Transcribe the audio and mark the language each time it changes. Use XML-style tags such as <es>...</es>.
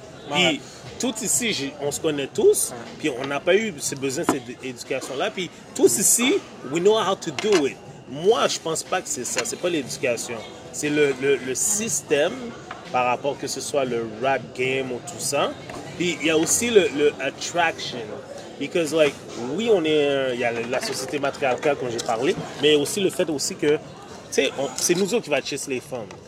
<fr>Puis tout ici, on se connaît tous, puis on n'a pas eu ce besoin de cette éducation-là. Puis tous ici,</fr> <en>we know how to do it.</en> <fr>Moi, je pense pas que c'est ça. C'est pas l'éducation. C'est le système par rapport que ce soit le rap game ou tout ça. Puis il y a aussi le attraction.</fr> <en>Because like</en> <fr>oui on est il y a la société matriarcale comme j'ai parlé, mais aussi le fait aussi que tu sais c'est nous autres qui va chasser les femmes.</fr>